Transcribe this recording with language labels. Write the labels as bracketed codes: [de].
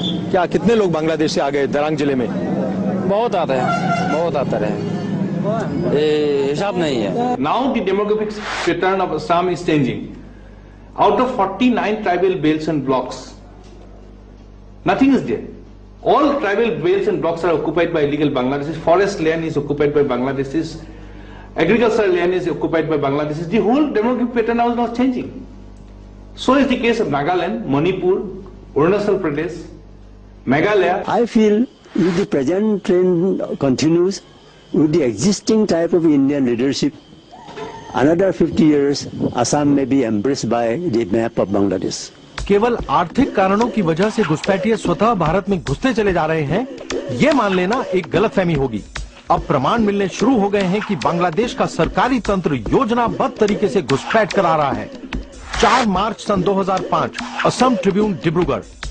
[hi] क्या कितने लोग बांग्लादेश से आ गए दरांग जिले में? बहुत आते हैं, बहुत आते रहे, हिसाब नहीं है. [en] Now the demographic pattern of Assam is changing. Out of 49 tribal belts and blocks, nothing is there. All tribal belts and blocks are occupied by illegal Bangladeshis. Forest land is occupied by Bangladeshis. Agricultural land is occupied by Bangladeshis. The whole demographic pattern is not changing. So is the case of Nagaland, Manipur, Arunachal Pradesh, Meghalaya. I feel if the present trend continues with the existing type of Indian leadership, another 50 years, Assam may be embraced by the map of Bangladesh. [hi] केवल आर्थिक कारणों की वजह से घुसपैठिए स्वतः भारत में घुसते चले जा रहे हैं, ये मान लेना एक गलतफहमी होगी. अब प्रमाण मिलने शुरू हो गए हैं कि बांग्लादेश का सरकारी तंत्र योजनाबद्ध तरीके से घुसपैठ करा रहा है. 4 मार्च सन 2005, असम ट्रिब्यून डिब्रूगढ़.